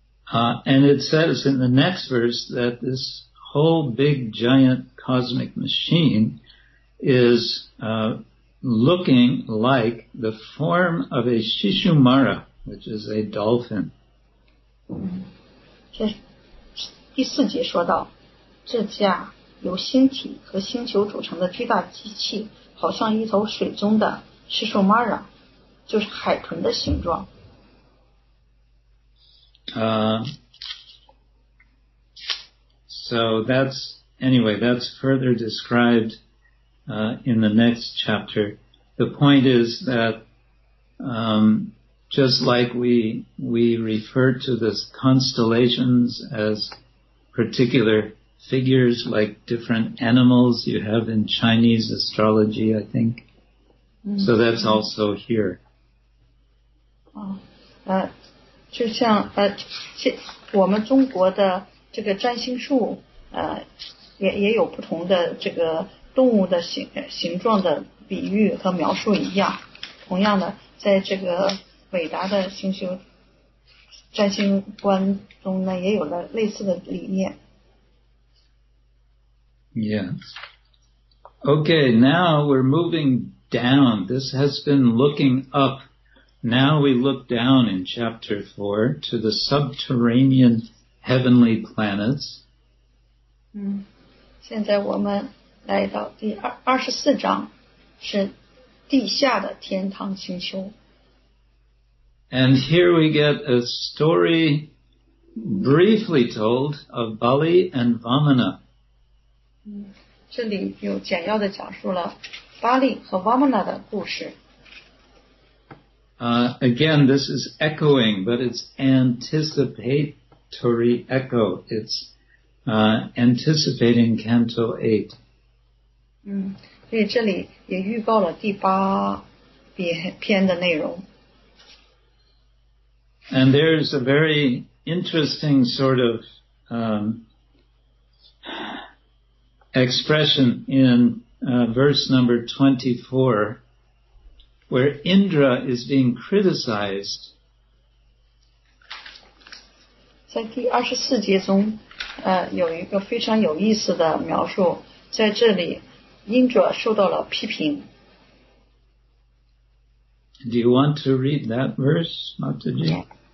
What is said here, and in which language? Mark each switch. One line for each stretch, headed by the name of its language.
English: And it says in the next verse that this whole big giant cosmic machine is looking like the form of a Shishumara, which is a dolphin.
Chinese: 这第四节说到，这架由星体和星球组成的巨大机器，好像一头水中的 Shishumara, 就是海豚的形状。
English: So that's, anyway, that's further described in the next chapter. The point is that just like we refer to the constellations as particular figures, like different animals you have in Chinese astrology, I think. So that's also here.
Chinese: Oh, 就像我们中国的这个占星术也有不同的这个动物的形状的比喻和描述一样，同样的在这个伟达的星球占星观中呢也有了类似的理念。
English: Yeah. Okay, now we're moving down. This has been looking upNow we look down in chapter 4 to the subterranean heavenly planets.
Chinese: 现在我们来到第24章，是地下的天堂星球。
English: And here we get a story briefly told of Bali and Vamana.
Chinese: 这里又简要的讲述了巴利和 Vamana 的故事。
English: Again, this is echoing, but it's anticipatory echo. It's anticipating Canto 8.
Chinese: 所以这里也预告了第八篇的内容。
English: And there's a very interesting sort of expression in verse number 24. Where Indra is being criticized.
Chinese: 在第二十四节中有一个非常有意思的描述，在这里因着受到了批评。
English: Do you want to read that verse, Mataji?